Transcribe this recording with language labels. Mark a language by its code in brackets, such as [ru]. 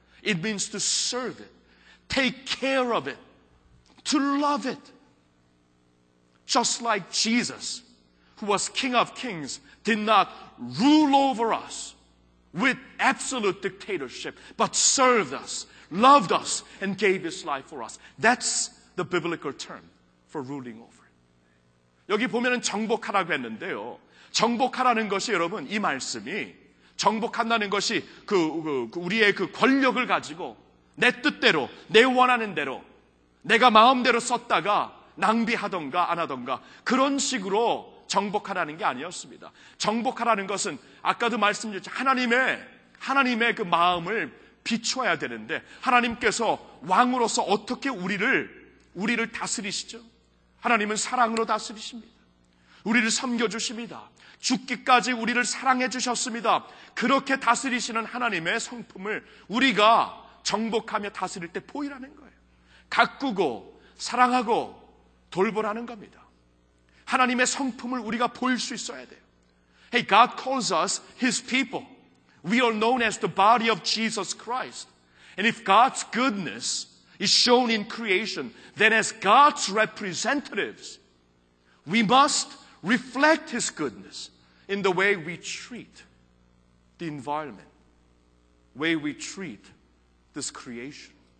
[en] It means to serve it, take care of it, to love it. Just like Jesus, who was King of Kings, did not rule over us with absolute dictatorship, but served us, loved us, and gave his life for us. That's the biblical term for ruling over. [ko] 여기 보면은 정복하라고 했는데요. 정복하라는 것이 여러분, 이 말씀이 정복한다는 것이 그 우리의 그 권력을 가지고 내 뜻대로, 내 원하는 대로, 내가 마음대로 썼다가 낭비하던가 안 하던가 그런 식으로 정복하라는 게 아니었습니다. 정복하라는 것은 아까도 말씀드렸죠. 하나님의 그 마음을 비춰야 되는데 하나님께서 왕으로서 어떻게 우리를 다스리시죠? 하나님은 사랑으로 다스리십니다. 우리를 섬겨주십니다. 죽기까지 우리를 사랑해 주셨습니다. 그렇게 다스리시는 하나님의 성품을 우리가 정복하며 다스릴 때 보이라는 거예요. 가꾸고 사랑하고 돌보라는 겁니다. 하나님의 성품을 우리가 보일 수 있어야 돼요. [en] Hey, God calls us His people. We are known as the body of Jesus Christ. And if God's goodness is shown in creation, then as God's representatives, we must reflect His goodness in the way we treat the environment, way we treat this creation.